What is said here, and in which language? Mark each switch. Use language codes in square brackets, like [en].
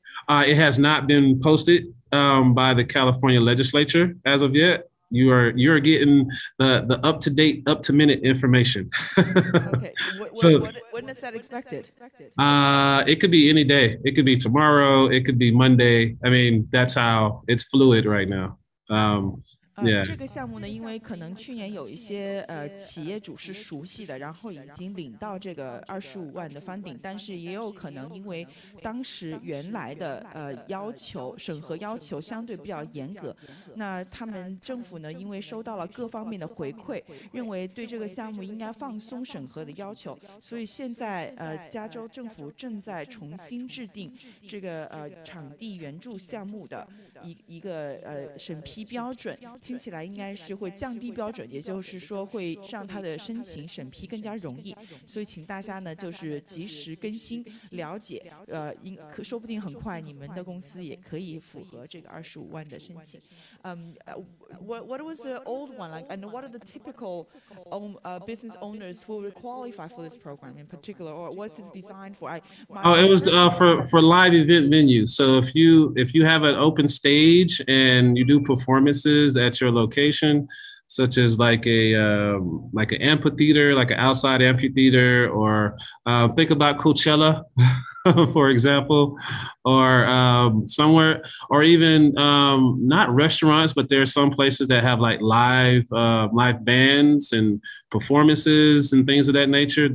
[en] It has not been posted by the California legislature as of yet. You are getting the up to date, up to minute information. Okay. When is that expected? It could be any day. It could be tomorrow. It could be Monday. I mean, that's how it's fluid right now. Yeah. [zh] 这个项目呢，因为可能去年有一些企业主是熟悉的，然后已经领到这个25万的 funding， 但是也有可能因为当时原来的要求审核要求相对比较严格，那他们政府呢，因为收到了各方面的回馈，认为对这个项目应该放松审核的要求，所以现在加州政府正在重新制定这个场地援助项目的一个审批标准。听起来应该是会降低标准，也就是说会让他的申请审批更加容易，所以请大家呢就是及时更新了解，说不定很快你们的公司也可以符合这个25万的申请。 [en] What was the old one like, and what are the typical business owners who will qualify for this program in particular, or what's it designed for? It was for live event venues. So if you have an open stage and you do performances at your location, such as like an amphitheater, like an outside amphitheater, or think about Coachella, for example, or somewhere, or even not restaurants, but there are some places that have like live bands and performances and things of that nature.